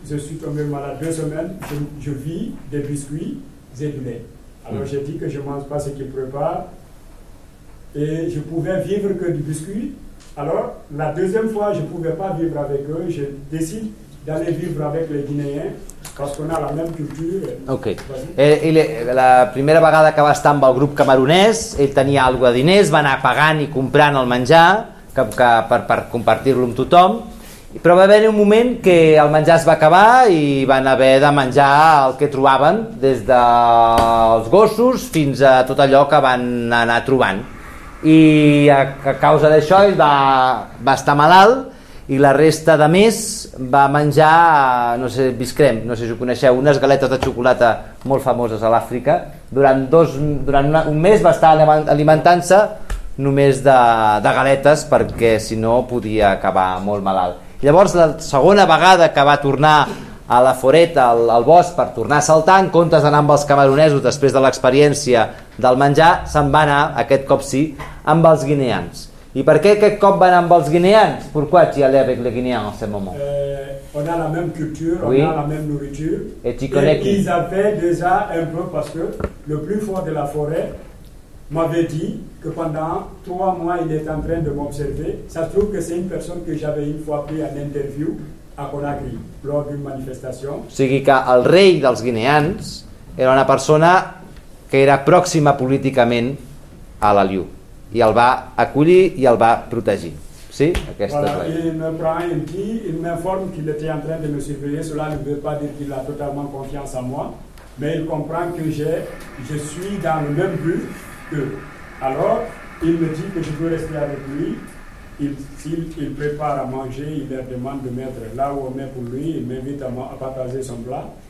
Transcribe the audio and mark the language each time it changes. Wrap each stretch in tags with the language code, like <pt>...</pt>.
<fr>Je suis tombé malade 2 semaines. Je vis des biscuits et du lait. Alors j'ai dit que je ne mange pas ce qu'ils préparent. Et je pouvais vivre que du biscuit. Alors, la deuxième fois, je ne pouvais pas vivre avec eux. Je décide d'aller vivre avec les Guinéens parce qu'on a la même culture. Ok. Et la première</fr> <ca>vegada que va estar amb el grup camerunès, ell tenia algo de diners, va anar pagant i comprant el menjar que per compartir-lo amb tothom. Però va haver un moment que el menjar es va acabar i van haver de menjar el que trobaven, des dels gossos fins a tot allò que van anar trobant. I a causa d'això ell va estar malalt i la resta de mes va menjar, no sé, biscrem, no sé si ho coneixeu, unes galetes de xocolata molt famoses a l'Àfrica. Durant un mes va estar alimentant-se només de galetes perquè si no podia acabar molt malalt. Llavors la segona vegada que va tornar a la foreta, al bosc, per tornar a saltar, en comptes d'anar amb els camaronesos després de l'experiència del menjar, se'n va anar, aquest cop sí, amb els guineans. I per què aquest cop va anar amb els guineans? Per què hi ha</ca> <fr>avec les guineans en ce moment? On a la même culture, oui. On a la même nourriture. Et tu connais qui? Ils avaient déjà un peu, parce que le plus fort de la forêt m'avait dit que pendant 3 mois, il est en train de m'observer. Ça se trouve que c'est une personne que j'avais une fois pris en interview a Conakry, lors d'une manifestation.</fr> <ca>O sigui que el rei dels guineans era una persona que era pròxima políticament a la Liu i el va acollir i el va protegir. Sí? Aquesta voilà, rei.</ca> <fr>Il me prend un petit, il m'informe qu'il était en train de me surveiller, cela ne veut pas dire qu'il a totalement confiance en moi, mais il comprend que je suis dans le même but qu'eux. Alors, il me dit que je veux rester avec lui. Il prépare à manger, il leur demande de mettre là où on met pour lui, il m'invite à partager son plat.</fr>